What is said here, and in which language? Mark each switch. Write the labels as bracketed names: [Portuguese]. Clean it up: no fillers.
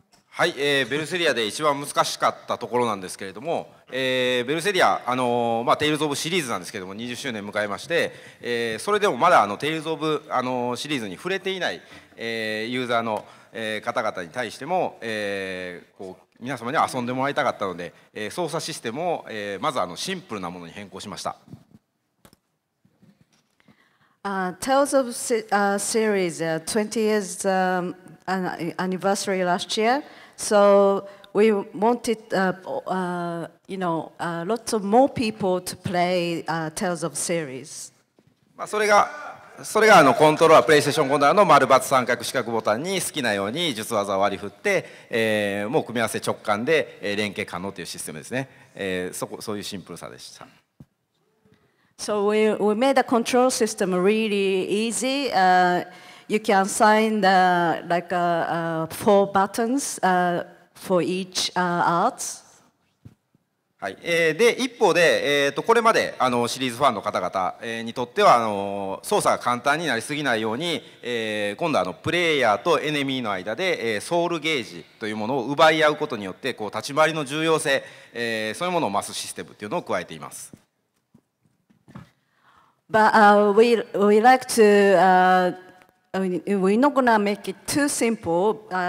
[Japanese] はい、ベルセリアで一番難しかったところなんですけれども、ベルセリア、まあ、テイルズ・オブ・シリーズなんですけれども、20周年迎えまして、それでもまだテイルズ・オブ、シリーズに触れていない、ユーザーの、方々に対しても、こう皆様に遊んでもらいたかったので、操作システムを、まずシンプルなものに変更しました。 [English] Tales of series 20 years anniversary last year, so we wanted lots of more people to play Tales of series. [Japanese] まあそれがコントローラー、プレイステーションコントローラーの丸バツ三角四角ボタンに好きなように術技を割り振って、もう組み合わせ直感で連携可能というシステムですね。そういうシンプルさでした。 [English] So we made the control system really easy. You can assign the four buttons for each arts. [Japanese] はい。で一方で、これまでシリーズファンの方々にとっては操作が簡単になりすぎないように、今度はプレイヤーとエネミーの間で、ソウルゲージというものを奪い合うことによってこう立ち回りの重要性、そういうものを増すシステムというのを加えています。 [English] But we like to we're not gonna make it too simple.